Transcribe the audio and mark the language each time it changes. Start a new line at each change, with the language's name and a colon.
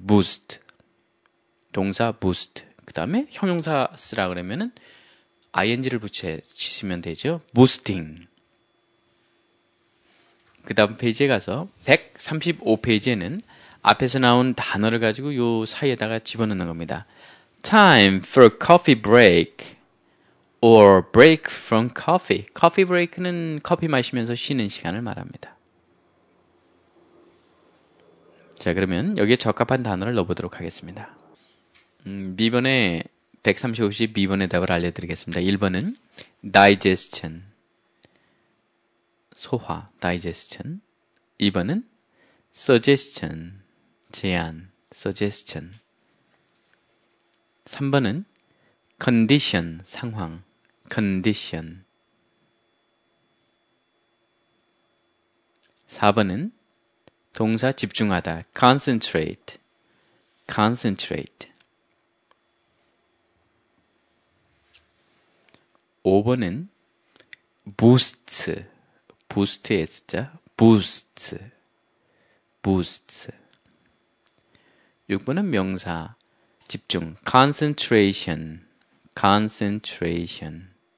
English: boost.
Korean: 동사
English: boost.
Korean: 그 다음에 형용사 쓰라 그러면은 ing를 붙이시면 되죠.
English: boosting.
Korean: 그 다음 페이지에 가서 135페이지에는 앞에서 나온 단어를 가지고 요 사이에다가 집어넣는 겁니다.
English: Time for coffee break or break from coffee.
Korean: Coffee break는 커피 마시면서 쉬는 시간을 말합니다. 자, 그러면 여기에 적합한 단어를 넣어보도록 하겠습니다. B번에 135페이지 B번의 답을 알려드리겠습니다. 1번은 digestion. 소화, digestion. 2번은 suggestion, 제안, suggestion. 3번은 condition, 상황, condition. 4번은 동사 집중하다, concentrate, concentrate.
English: 5번은 boosts,
Korean: 부스트의 S자,
English: boosts, boosts.
Korean: 6번은 명사, 집중, concentration, concentration.